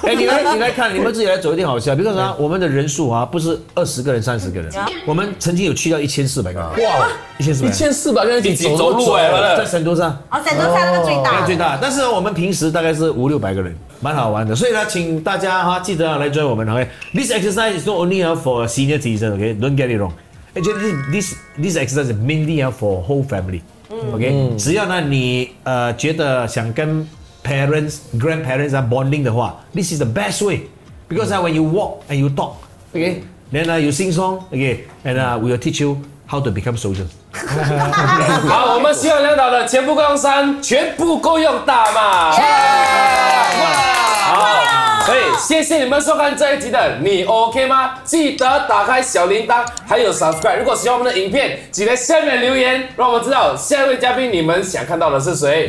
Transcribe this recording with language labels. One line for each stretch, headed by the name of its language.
Chinese: 哎，你来看，你们自己来走一定好笑，比如说我们的人数啊，不是20个人、30个人，我们曾经有去到1400个，哇。 1400个人一起走路哎，在神都上，神都上那个最大，那个最大。但是我们平时大概是500-600个人，蛮好玩的。所以呢，请大家哈记得来 join 我们。
English: OK， this exercise is not only for senior citizens. OK， don't get it wrong. Actually, this exercise is mainly for whole family. OK，、
Chinese: 只要呢你觉得想跟
English: parents、grandparents are bonding
Chinese: 的话
English: ，this is the best way. Because when you walk and you talk, OK， then you sing song, OK， and we will teach you. How to become soldier？
Chinese: 好，我们希望亮导的钱不够用三，全部够用大嘛！
English: Yeah!
Chinese: 好，所以谢谢你们收看这一集的《你 OK 吗》？记得打开小铃铛，还有 subscribe。如果喜欢我们的影片，记得下面留言，让我们知道下一位嘉宾你们想看到的是谁。